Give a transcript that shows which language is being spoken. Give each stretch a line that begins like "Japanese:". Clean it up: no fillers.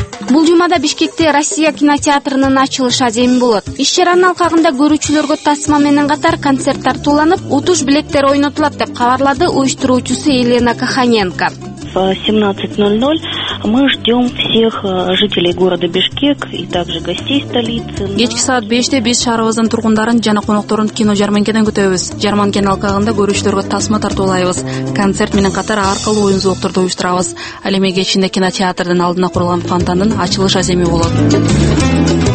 Kyrgyz: Бул жумада Бишкекте Россия кинотеатрынын ачылыш аземи болот. Иш-чаранын алкагында көрүүчүлөргө тасма менен катар концерттер тууланып, утуш билеттер ойнотулат деп кабарлады уюштуруучусу Елена Каханенко.
Russian: 17:00 мы ждем всех жителей города Бишкек и также гостей столицы.
Kyrgyz: Кечки саат 5:00 биз шаарыбыздын тургундарын жана конокторун кино жарманкеден күтөбүз. Жарманкенин алкагында көрүүчүлөргө тасма тартуулайбыз. Концерт менен катар ар кылуу оюн зоокторду уюштурабыз. Ал эми кечинде кинотеатрдын алдына курулган фонтандын ачылыш аземи болот.